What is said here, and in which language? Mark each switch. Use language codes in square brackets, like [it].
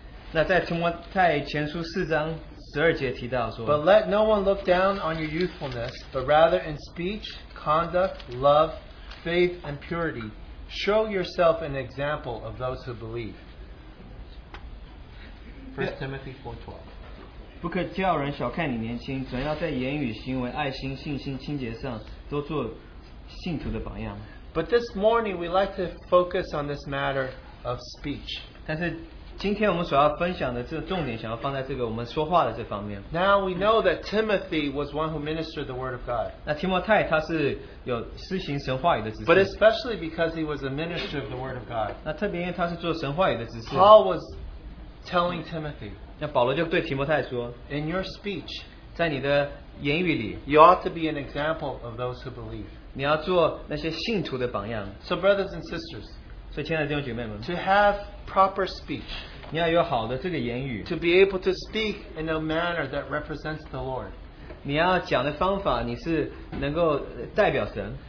[zh] 那在提摩太前书四章十二节提到说, [en] but let no one look down on your youthfulness, but rather in speech, conduct, love, faith, and purity, show yourself an example of those who believe. 1 Timothy 4:12. [zh] 不可叫人小看你年轻, 主要在言语行为爱心信心清洁上都做信徒的榜样。 [en] But this morning we like to focus on this matter of speech. [zh] 今天我们所要分享的重点想要放在这个我们说话的这方面。 [en] Now we know that Timothy was one who ministered the word of God. [zh] 那提摩太他是有施行神话语的职事。 [en] But especially because he was a minister of the word of God. [zh] 那特别因为他是做神话语的职事。 [en] Paul was telling Timothy, [zh] 那保罗就对提摩太说, [en] in your speech, [zh] 在你的言语里, [en] you ought to be an example of those who believe. [zh] 你要做那些信徒的榜样。 [en] So brothers and sisters, [zh] 所以亲爱的弟兄姐妹们, [en] to have proper speech, [zh] 你要有好的这个言语, [en] to be able to speak in a manner that represents the Lord, [zh] 你要讲的方法你是能够代表神,